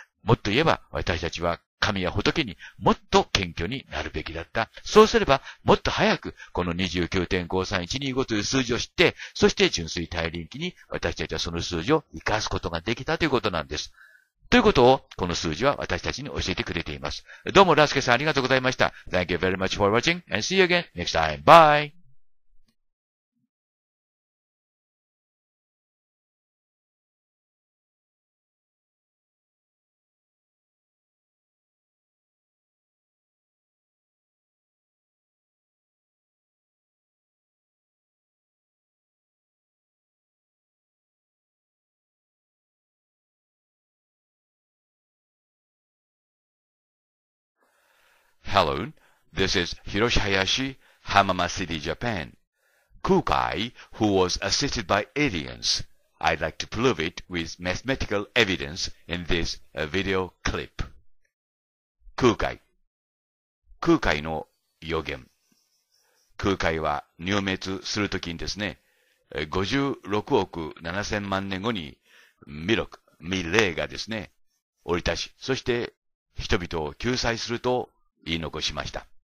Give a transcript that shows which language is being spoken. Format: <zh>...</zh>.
<ja>もっと言えば、私たちは、神や仏にもっと謙虚になるべきだった。そうすればもっと早くこの 29.53125 という数字を知って、そして純粋大輪機に私たちはその数字を生かすことができたということなんです。ということをこの数字は私たちに教えてくれています。どうもラスケさんありがとうございました。</ja> <en>Thank you very much for watching and see you again next time. Bye. Hello, this is Hiroshi Hayashi, Hamama City, Japan. Kukai, who was assisted by aliens, I'd like to prove it with mathematical evidence in this video clip.</en> <ja>Kukai. Kukai の予言。 Kukai は入滅するときにですね、56億7000万年後に弥勒、弥勒がですね、降り立ち、そして人々を救済すると、言い残しました。</ja>